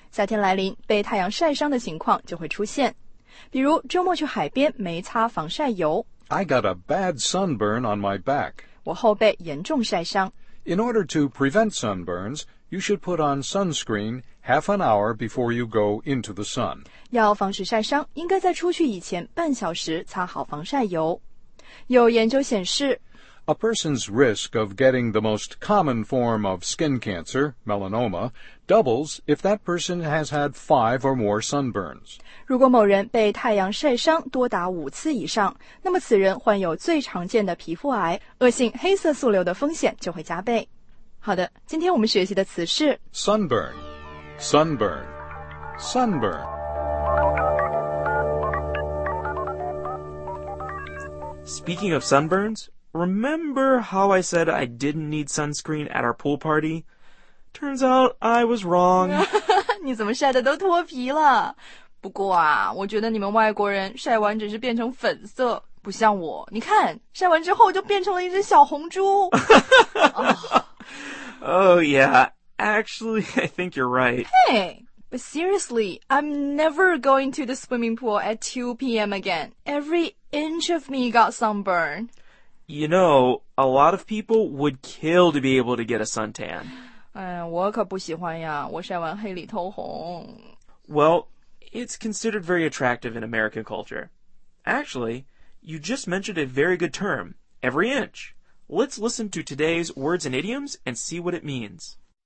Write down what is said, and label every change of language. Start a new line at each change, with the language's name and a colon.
Chinese: 夏天来临，被太阳晒伤的情况就会出现。比如周末去海边没擦防晒油。
English: I got a bad sunburn on my back.
Chinese: 我后背严重晒伤。
English: In order to prevent sunburns,You should put on sunscreen half an hour before you go into the sun.
Chinese: 要防止晒伤，应该在出去以前半小时擦好防晒油。有研究显示
English: ,A person's risk of getting the most common form of skin cancer, melanoma, doubles if that person has had five or more sunburns.
Chinese: 如果某人被太阳晒伤多达五次以上，那么此人患有最常见的皮肤癌，恶性黑色素瘤的风险就会加倍。好的，今天我们学习的词是
English: sunburn。 Speaking of sunburns, remember how I said I didn't need sunscreen at our pool party? Turns out I was wrong.
Chinese: 你怎么晒得都脱皮了？不过啊，我觉得你们外国人晒完只是变成粉色，不像我。你看，晒完之后就变成了一只小红猪。
English: Oh, yeah. Actually, I think you're right. Hey, but seriously, I'm never going to the swimming pool at 2 p.m. again. Every inch of me got sunburn. You know, a lot of people would kill to be able to get a suntan.
Chinese: 我可不喜欢呀，我晒完黑里透红。
English: Well, it's considered very attractive in American culture. Actually, you just mentioned a very good term, every inch. Let's listen to today's words and idioms and see what it means.